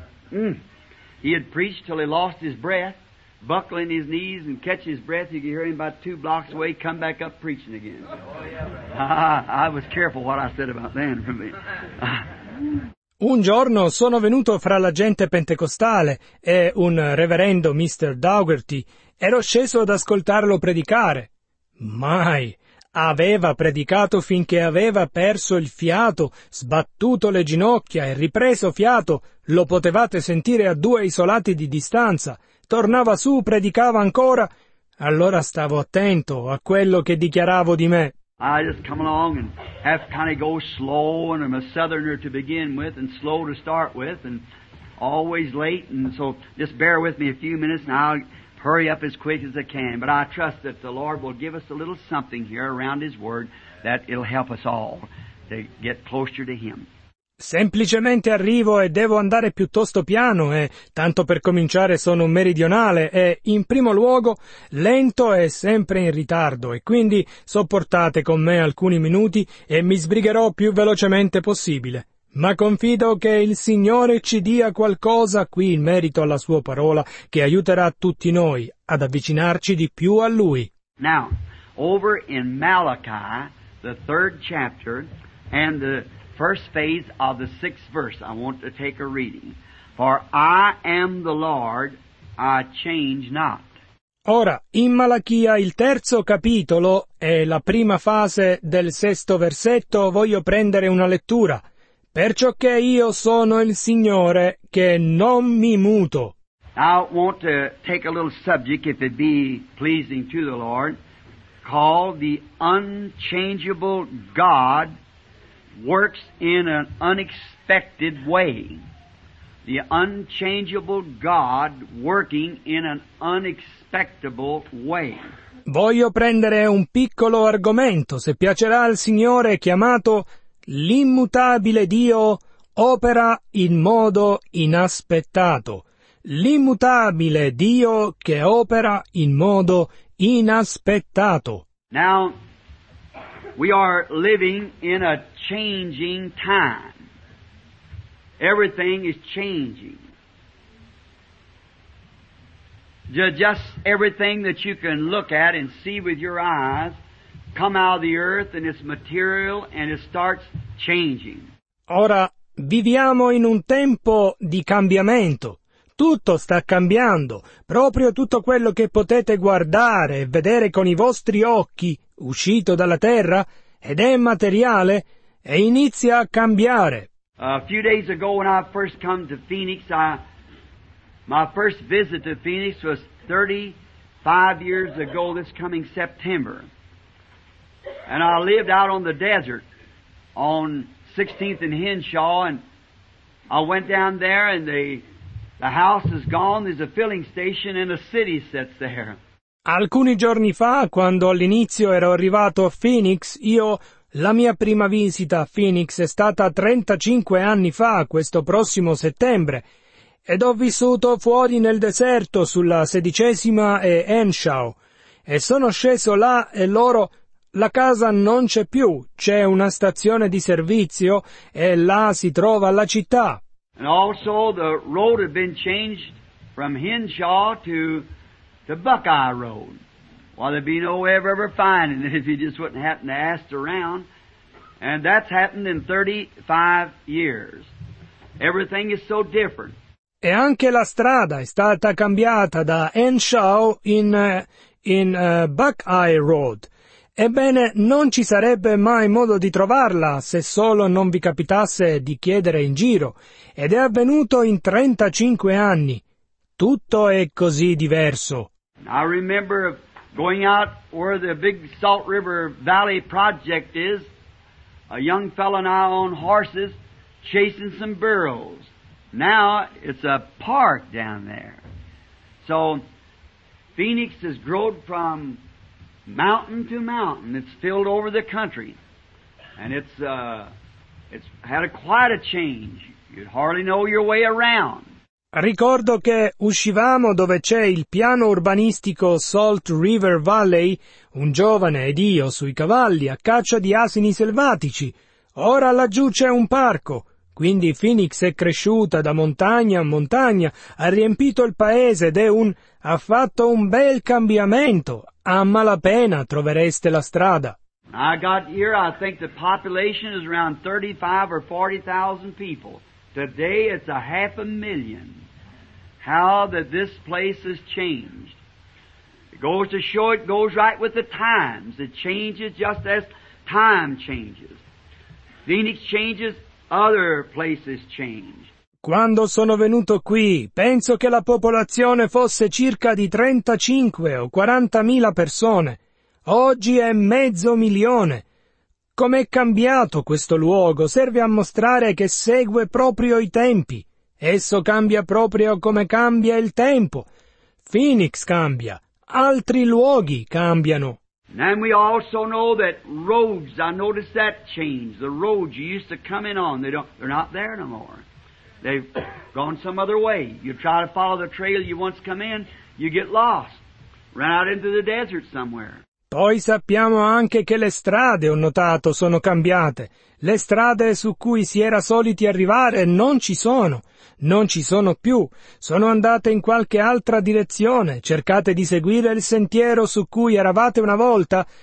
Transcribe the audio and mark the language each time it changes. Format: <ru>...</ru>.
<en>He had preached till he lost his breath, buckling his knees and catching his breath. You could hear him about two blocks away come back up preaching again. I was careful what I said about that for me.</en> <it>Un giorno sono venuto fra la gente pentecostale e un reverendo Mr. Daugherty ero sceso ad ascoltarlo predicare. Mai! Aveva predicato finché aveva perso il fiato, sbattuto le ginocchia e ripreso fiato, lo potevate sentire a due isolati di distanza. Tornava su, predicava ancora. Allora stavo attento a quello che dichiaravo di me.</it> <en>I just come along and have to kind of go slow, and I'm a southerner to begin with and slow to start with and always late, and so just bear with me a few minutes and I'll hurry up as quick as I can, but I trust that the Lord will give us a little something here around His Word that it'll help us all to get closer to Him.</en> <it>Semplicemente arrivo e devo andare piuttosto piano e, tanto per cominciare, sono un meridionale e, in primo luogo, lento e sempre in ritardo e quindi sopportate con me alcuni minuti e mi sbrigherò più velocemente possibile. Ma confido che il Signore ci dia qualcosa qui in merito alla Sua parola che aiuterà tutti noi ad avvicinarci di più a Lui.</it> <en>Now, over in Malachi, the third chapter, and the first phase of the sixth verse, I want to take a reading. For I am the Lord, I change not.</en> <it>Ora, in Malachia, il terzo capitolo e la prima fase del sesto versetto, voglio prendere una lettura. Perciò che io sono il Signore che non mi muto.</it> <en>I want to take a little subject, if it be pleasing to the Lord, called the unchangeable God works in an unexpected way. The unchangeable God working in an unexpectable way.</en> <it>Voglio prendere un piccolo argomento, se piacerà al Signore, chiamato L'immutabile Dio opera in modo inaspettato. L'immutabile Dio che opera in modo inaspettato.</it> <en>Now, we are living in a changing time. Everything is changing. Just everything that you can look at and see with your eyes come out of the earth and it's material and it starts changing.</en> <it>Ora viviamo in un tempo di cambiamento. Tutto sta cambiando. Proprio tutto quello che potete guardare e vedere con i vostri occhi, uscito dalla terra, ed è materiale, e inizia a cambiare.</it> <en>A few days ago when I first come to Phoenix, my first visit to Phoenix was 35 years ago this coming September. And I lived out on the desert on 16th and Henshaw, and I went down there and the house is gone, there's a filling station and a city sits there.</en> <it>Alcuni giorni fa, quando all'inizio ero arrivato a Phoenix, la mia prima visita a Phoenix è stata 35 anni fa, questo prossimo settembre, ed ho vissuto fuori nel deserto sulla 16ª e Henshaw, e sono sceso là e loro... La casa non c'è più, c'è una stazione di servizio e là si trova la città.</it> <en>And also the road had been changed from Henshaw to Buckeye Road. Well, there'd be no way of ever finding it if you just wouldn't happen to ask around. And that's happened in 35 years. Everything is so different.</en> <it>E anche la strada è stata cambiata da Henshaw in Buckeye Road. Ebbene, non ci sarebbe mai modo di trovarla se solo non vi capitasse di chiedere in giro, ed è avvenuto in 35 anni. Tutto è così diverso.</it> <en>I remember going out where the big Salt River Valley project is, a young fellow and I on horses chasing some burros. Now it's a park down there. So Phoenix has grown from mountain to mountain. It's filled over the country. And it's had quite a change. You'd hardly know your way around.</en> <it>Ricordo che uscivamo dove c'è il piano urbanistico Salt River Valley, un giovane ed io sui cavalli a caccia di asini selvatici. Ora laggiù c'è un parco. Quindi Phoenix è cresciuta da montagna a montagna, ha riempito il paese ed ha fatto un bel cambiamento. A malapena trovereste la strada.</it> <en>I got here, I think the population is around 35 or 40,000 people. Today it's a 500,000. How that this place has changed. It goes to show it goes right with the times. It changes just as time changes. Phoenix changes, other places change.</en> <it>Quando sono venuto qui, penso che la popolazione fosse circa di 35 o 40 mila persone. Oggi è 500,000. Com'è cambiato questo luogo? Serve a mostrare che segue proprio i tempi. Esso cambia proprio come cambia il tempo. Phoenix cambia. Altri luoghi cambiano.</it> <en>And we also know that roads, I noticed that change. The roads you used to come in on, they're not there no more. They've gone some other way. You try to follow the trail you once come in, you get lost. Run out into the desert somewhere.</en> <it>Poi sappiamo anche che le strade, ho notato, sono cambiate. Le strade su cui si era soliti arrivare non ci sono. Non ci sono più. Sono andate in qualche altra direzione. Cercate di seguire il sentiero su cui eravate una volta.</it>